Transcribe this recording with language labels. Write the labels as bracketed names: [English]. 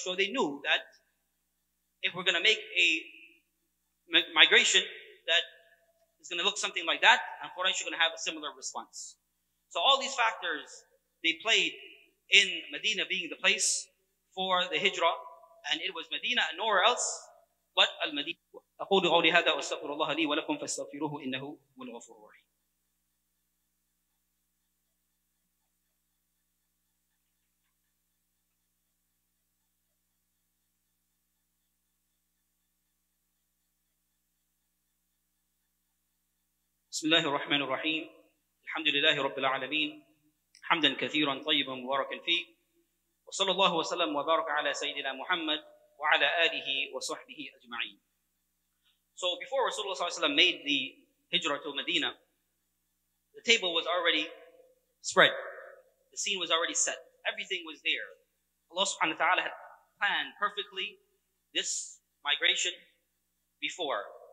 [English] So they knew that if we're going to make a migration that is going to look something like that, and Quraysh are going to have a similar response. So all these factors, they played in Medina being the place for the hijrah, and it was Medina and nowhere else but Al-Madinah. [Arabic] أقول قولي هذا واستغفر الله لي ولكم فاستغفروه إنه هو الغفور الرحيم. بسم الله الرحمن الرحيم. الحمد لله رب العالمين. حمدا كثيرا طيبا مباركا فيه. وصلى الله وسلم وبارك على سيدنا محمد وعلى آله وصحبه أجمعين. [English] So before Rasulullah ﷺ made the hijrah to Medina, the table was already spread. The scene was already set. Everything was there. Allah subhanahu wa ta'ala had planned perfectly this migration before.